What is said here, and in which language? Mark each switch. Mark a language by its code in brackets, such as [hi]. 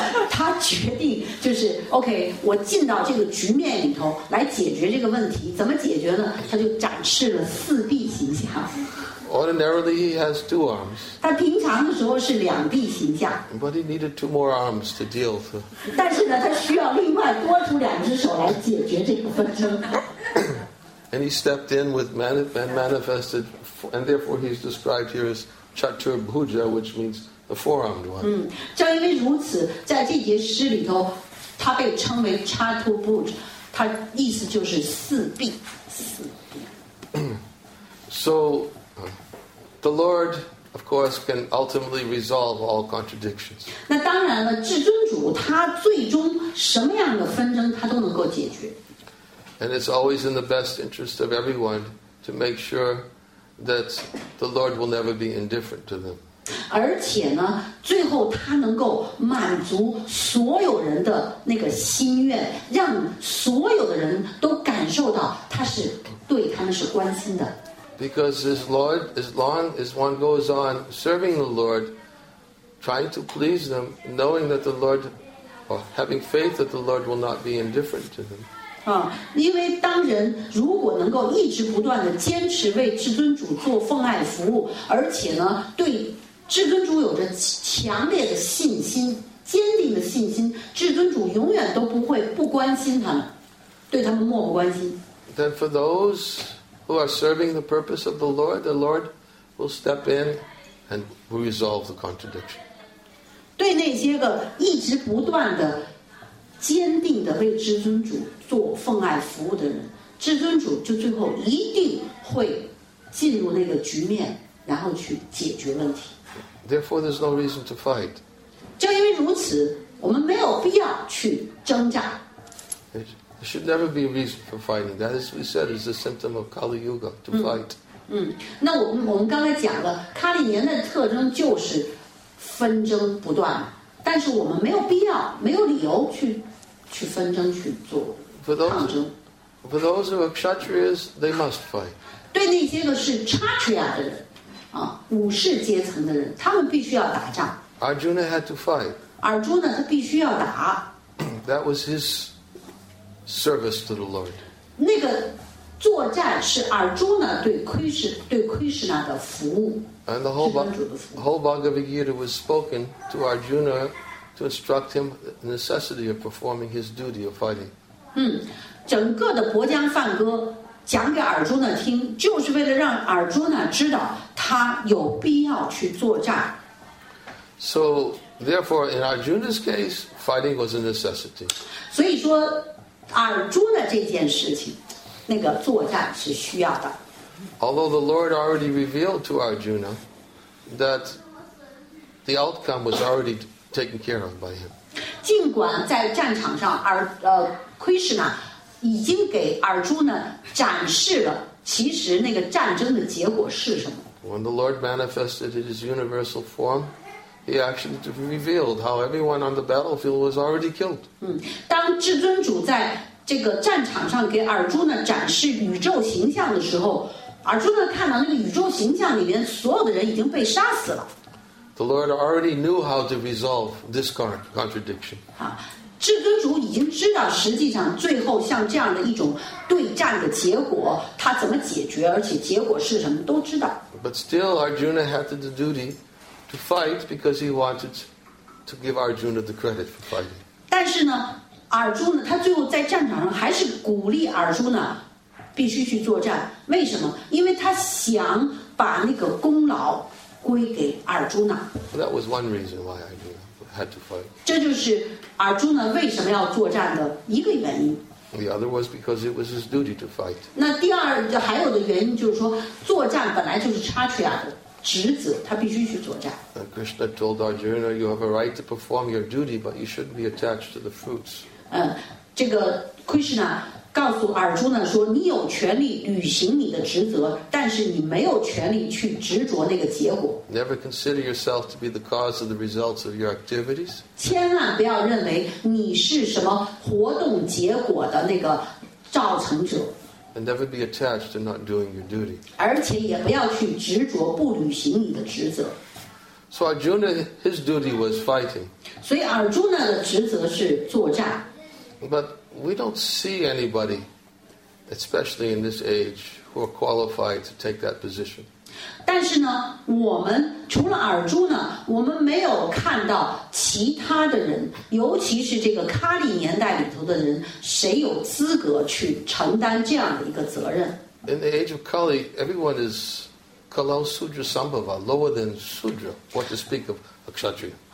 [zh] 他决定就是 OK, 我进到这个局面里头来解决这个问题，怎么解决呢？他就展示了四臂形象。 [en] Ordinarily, he has two arms. [zh] 他平常的时候是两臂形象。 [en] But he needed two more arms to deal with. [zh] 但是呢，他需要另外多出两只手来解决这个纷争。 [en] And he stepped in with manifested, and therefore he's described here as Chaturbhuja, which means the four-armed one. [zh] 正因为如此，在这节诗里头，他被称为 Chaturbhuja, 他意思就是四臂。 [en] So, the Lord, of course, can ultimately resolve all contradictions. [zh] 那当然了，至尊主他最终什么样的纷争他都能够解决。 [en] And it's always in the best interest of everyone to make sure that the Lord will never be indifferent to them. [zh] 而且呢，最后他能够满足所有人的那个心愿，让所有的人都感受到他是对他们是关心的。 [en] Because as long as one goes on serving the Lord, trying to please them, knowing that the Lord, or having faith that the Lord will not be indifferent to them. [zh] 因为当人如果能够一直不断地坚持为至尊主做奉爱服务，而且呢对至尊主有着强烈的信心，坚定的信心，至尊主永远都不会不关心他们，对他们漠不关心。 [en] Then for those who are serving the purpose of the Lord will step in and resolve the contradiction. [zh] 对那些个一直不断地坚定地为至尊主做奉爱服务的人，至尊主就最后一定会进入那个局面，然后去解决问题。 [en] Therefore, there's no reason to fight. [zh] 正因为如此，我们没有必要去挣扎。 [en] There should never be a reason for fighting. That, as we said, is the symptom of Kali Yuga to fight. [zh] 那我们刚才讲了，卡利年的特征就是纷争不断。但是我们没有必要，没有理由去纷争去做抗争。 [en] For those who are Kshatriyas, they must fight. [zh] 对那些个是 Kshatriya 的人，啊，武士阶层的人，他们必须要打仗。 [en] Arjuna had to fight. [zh] Arjuna 他必须要打。 [en] That was his service to the Lord. [zh] 那个作战是 Arjuna 对 Krishna 的服务。 [en] And the whole Bhagavad Gita was spoken to Arjuna to instruct him the necessity of performing his duty of fighting. [zh] 整个的博江梵歌讲给尔朱呢听，就是为了让尔朱呢知道他有必要去作战。 [en] So therefore, in Arjuna's case, fighting was a necessity. [zh] 所以说，尔朱呢这件事情，那个作战是需要的。 [en] Although the Lord already revealed to Arjuna that the outcome was already taken care of by him. [zh] 尽管在战场上，Krishna已经给尔朱呢展示了，其实那个战争的结果是什么。 [en] When the Lord manifested in his universal form, he actually revealed how everyone on the battlefield was already killed. [zh] 当至尊主在这个战场上给尔朱呢展示宇宙形象的时候，尔朱呢看到那个宇宙形象里面所有的人已经被杀死了。 [en] The Lord already knew how to resolve this contradiction. [zh] 至尊主已经知道实际上最后像这样的一种对战的结果他怎么解决，而且结果是什么都知道。 [en] But still, Arjuna had the duty to fight because he wanted to give Arjuna the credit for fighting. [zh] 但是呢，尔朱呢，他最后在战场上还是鼓励尔朱呢必须去作战。为什么？因为他想把那个功劳归给尔朱呢。 [en] That was one reason why Arjuna had to fight. [zh] 这就是尔朱呢为什么要作战的一个原因。 [en] The other was because it was his duty to fight. [zh] 那第二还有的原因就是说，作战本来就是Kshatriya的职责，他必须去作战。 [en] And Krishna told Arjuna, "You have a right to perform your duty, but you shouldn't be attached to the fruits." [zh] 这个 Krishna 告诉尔朱呢说，你有权利履行你的职责，但是你没有权利去执着那个结果。 [en] Never consider yourself to be the cause of the results of your activities. [zh] 千万不要认为你是什么活动结果的那个造成者。 [en] And never be attached to not doing your duty. [zh] 而且也不要去执着不履行你的职责。 [en] So Arjuna, his duty was fighting. [zh] 所以尔朱呢的职责是作战。 [en] But we don't see anybody, especially in this age, who are qualified to take that position. [zh] 但是呢，我们除了尔朱呢，我们没有看到其他的人，尤其是这个喀利年代里头的人，谁有资格去承担这样的一个责任。 [en] In the age of Kali, everyone is Kalau Sudra Sambhava, lower than Sudra, what to speak of a Kshatriya.